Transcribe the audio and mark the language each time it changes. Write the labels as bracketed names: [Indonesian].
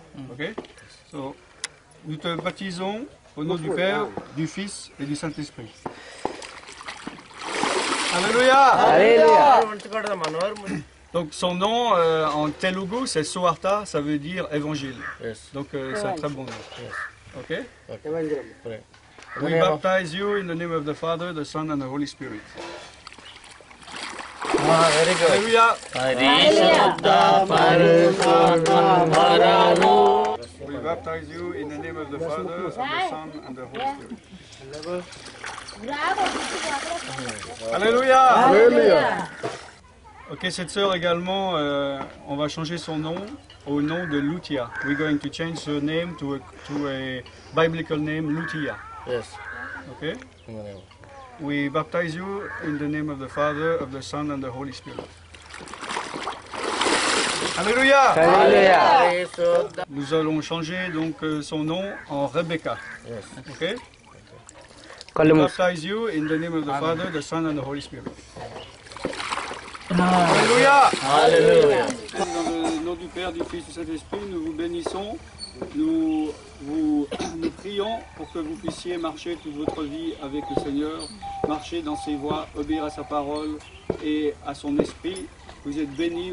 [French] Ok, so, nous te baptisons au nom du Père, du Fils et du Saint-Esprit. Alléluia. Alléluia. Donc son nom en telugu c'est Suvartha, ça veut dire évangile. [English] Yes. [French] Donc c'est un très bon nom. [English] Yes. Ok. We baptize you in the name of the Father, the Son, and the Holy Spirit. We baptize you in the name of the Father, and the Son, and the Holy Spirit. Alléluia. Alléluia. [French] Ok, cette sœur également, on va changer son nom au nom de Lutia. [English] We're going to change her name to a biblical name, Lutia. Yes. Okay. We baptize you in the name of the Father, of the Son, and the Holy Spirit. Alléluia. Alléluia. [French] Nous allons changer donc son nom en Rebecca. [English] Yes. Okay. We baptize you in the name of the Father, the Son, and the Holy Spirit. Alléluia. Alléluia. [French] Dans le nom du Père, du Fils et du Saint-Esprit, nous vous bénissons. Nous prions pour que vous puissiez marcher toute votre vie avec le Seigneur, marcher dans ses voies, obéir à sa parole et à son esprit. Vous êtes bénis.